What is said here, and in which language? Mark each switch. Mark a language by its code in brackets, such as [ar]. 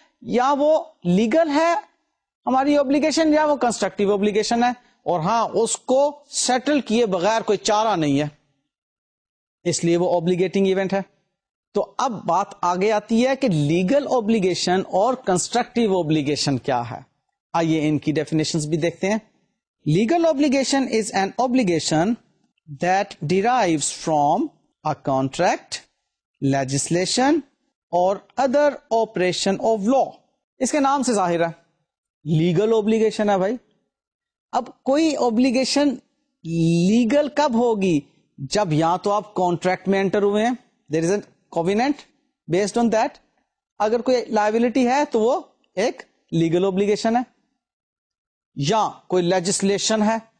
[ur] یا وہ لیگل ہے ہماری obligation یا وہ کنسٹرکٹیو obligation ہے, اور ہاں اس کو سیٹل کیے بغیر کوئی چارہ نہیں ہے, اس لیے وہ obligating ایونٹ ہے. تو اب بات آگے آتی ہے کہ لیگل obligation اور کنسٹرکٹیو obligation کیا ہے. آئیے ان کی definitions بھی دیکھتے ہیں. [en] Legal obligation is an obligation that derives from a contract, legislation or other operation of law. [ur] اس کے نام سے ظاہر ہے لیگل obligation ہے بھائی. اب کوئی obligation لیگل کب ہوگی؟ جب یا تو آپ کانٹریکٹ میں انٹر ہوئے ہیں, [en] There is a covenant based on that. [ur] اگر کوئی لائبلٹی ہے تو وہ ایک لیگل obligation ہے, یا کوئی لیجسلیشن ہے.